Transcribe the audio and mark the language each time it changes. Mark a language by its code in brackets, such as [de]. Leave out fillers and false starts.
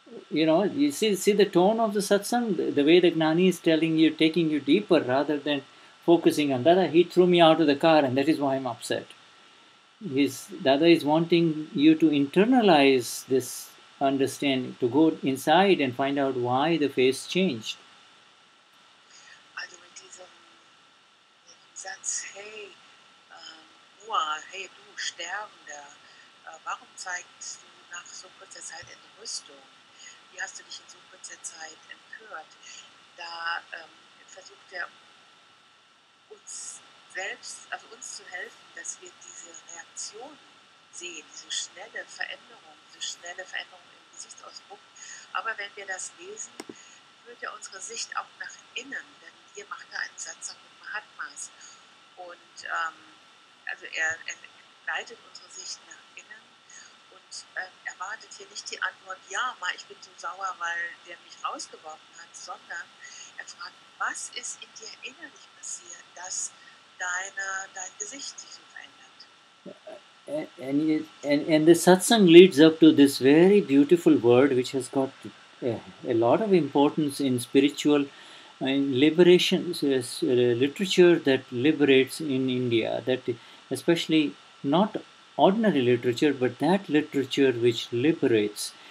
[en] You know, you see the tone of the satsang, the way the Gnani is telling you, taking you deeper rather than focusing on Dada, he threw me out of the car and that is why I'm upset. Dada is wanting you to internalize this understanding, to go inside and find out why the face changed. [de] Also mit diesem Satz, hey, hey du Sterbender, warum zeigst du nach so kurzer Zeit Entrüstung? Wie hast du dich in so kurzer Zeit empört? Da versucht er uns selbst, also uns zu helfen, dass wir diese Reaktion sehen, diese schnelle Veränderung im Gesichtsausdruck. Aber wenn wir das lesen, führt er unsere Sicht auch nach innen, denn hier macht er einen Satz mit Mahatmas. Und also er leitet unsere Sicht nach innen und erwartet hier nicht die Antwort, ja, mal ich bin so sauer, weil der mich rausgeworfen hat, sondern er fragt, was ist in dir innerlich passiert, dass dein Gesicht sich so verändert? [en] And the satsang leads up to this very beautiful word which has got a lot of importance in spiritual liberation, literature that liberates in India, that especially not ordinary literature, but that literature which liberates.